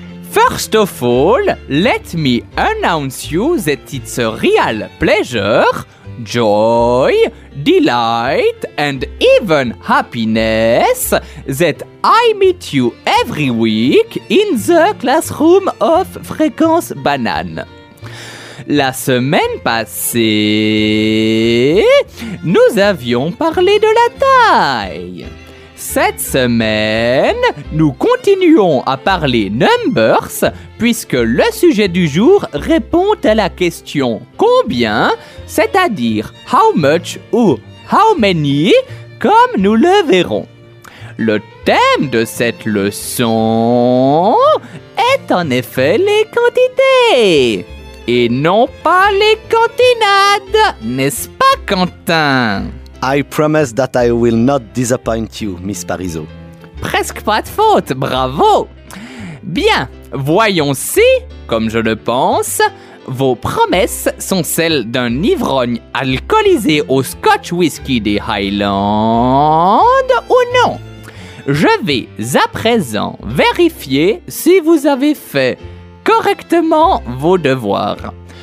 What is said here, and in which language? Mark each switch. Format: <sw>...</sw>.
<en>First of all, let me announce you that it's a real pleasure, joy, delight, and even happiness that I meet you every week in the classroom of Fréquence Banane.</en> <fr>La semaine passée, nous avions parlé de la taille. Cette semaine, nous continuons à parler</fr> <en>numbers</en> <fr>puisque le sujet du jour répond à la question combien, c'est-à-dire</fr> <en>how much</en> <fr>ou</fr> <en>how many,</en> <fr>comme nous le verrons. Le thème de cette leçon est en effet les quantités et non pas les cantinades, n'est-ce pas Quentin ?</fr> <en>I promise that I will not disappoint you, Miss Parisot.</en> <fr>Presque pas de faute, bravo! Bien, voyons si, comme je le pense, vos promesses sont celles d'un ivrogne alcoolisé au scotch whisky des Highlands ou non. Je vais à présent vérifier si vous avez fait correctement vos devoirs.</fr>